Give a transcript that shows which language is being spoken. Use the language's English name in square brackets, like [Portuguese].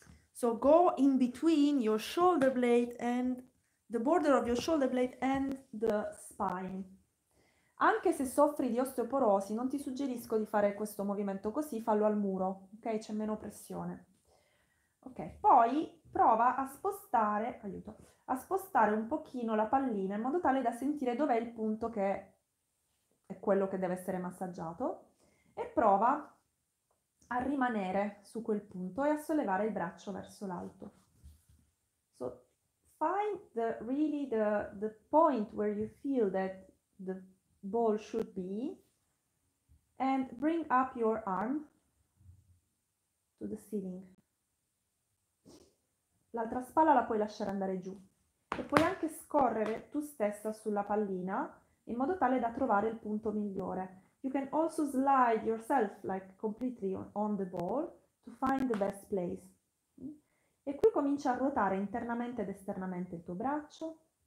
[English] So go in between your shoulder blade and the border of your shoulder blade and the spine. [Italian] Anche se soffri di osteoporosi, non ti suggerisco di fare questo movimento così, fallo al muro, ok? C'è meno pressione. Ok, poi prova a spostare, aiuto, a spostare un pochino la pallina in modo tale da sentire dov'è il punto che è quello che deve essere massaggiato e prova a rimanere su quel punto e a sollevare il braccio verso l'alto. [English] So find the point where you feel that the ball should be and bring up your arm to the ceiling. [Italian] L'altra spalla la puoi lasciare andare giù e puoi anche scorrere tu stessa sulla pallina in modo tale da trovare il punto migliore. [English] You can also slide yourself like completely on the ball to find the best place. [Italian] E qui comincia a ruotare internamente ed esternamente il tuo braccio.